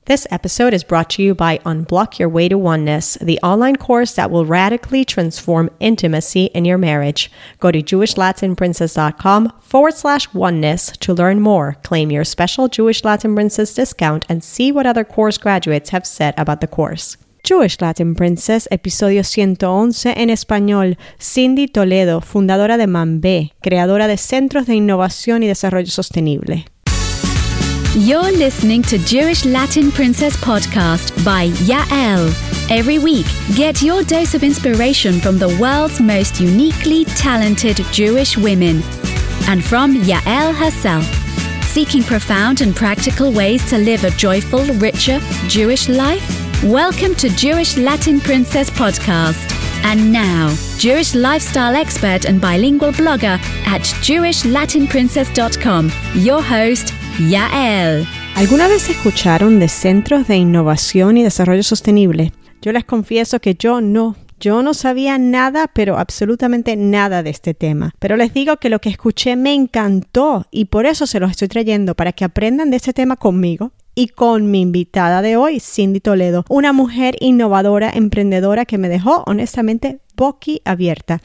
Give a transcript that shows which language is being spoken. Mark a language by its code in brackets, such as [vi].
[en] This episode is brought to you by Unblock Your Way to Oneness, the online course that will radically transform intimacy in your marriage. Go to jewishlatinprincess.com/oneness to learn more, claim your special Jewish Latin Princess discount, and see what other course graduates have said about the course. [es] Jewish Latin Princess, episodio 111 en español. Cindy Toledo, fundadora de Mambé, creadora de Centros de Innovación y Desarrollo Sostenible. [en] You're listening to Jewish Latin Princess Podcast by Ya'el. Every week, get your dose of inspiration from the world's most uniquely talented Jewish women. And from Ya'el herself. Seeking profound and practical ways to live a joyful, richer Jewish life? Welcome to Jewish Latin Princess Podcast. And now, Jewish lifestyle expert and bilingual blogger at jewishlatinprincess.com, your host, Ya'el. [es] ¿Alguna vez escucharon de Centros de Innovación y Desarrollo Sostenible? Yo les confieso que yo no sabía nada, pero absolutamente nada de este tema. Pero les digo que lo que escuché me encantó y por eso se los estoy trayendo, para que aprendan de este tema conmigo y con mi invitada de hoy, Cindy Toledo, una mujer innovadora, emprendedora que me dejó honestamente boquiabierta.